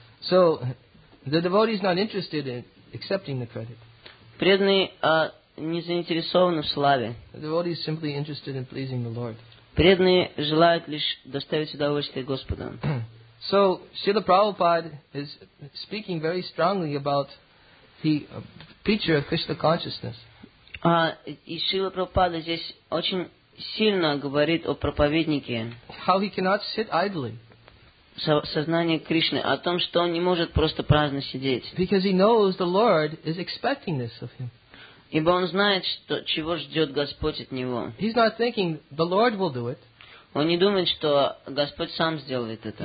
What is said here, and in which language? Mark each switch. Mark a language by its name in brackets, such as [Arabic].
[English] So the devotee is not interested in accepting the credit. [Russian] Преданный не заинтересован в славе. [English] The devotee is simply interested in pleasing the Lord. [Russian] Преданный желает лишь доставить удовольствие Господу. [English] So Srila Prabhupada is speaking very strongly about the feature of Krishna consciousness. [Russian] И Шрила Прабхупада здесь очень сильно говорит о проповеднике. [English] How he cannot sit idly. [Russian] Сознание Кришны о том, что он не может просто праздно сидеть. [English] Because he knows the Lord is expecting this of him. [Russian] Ибо он знает, что чего ждет Господь от него. [English] He's not thinking the Lord will do it. [Russian] Он не думает, что Господь сам сделает это.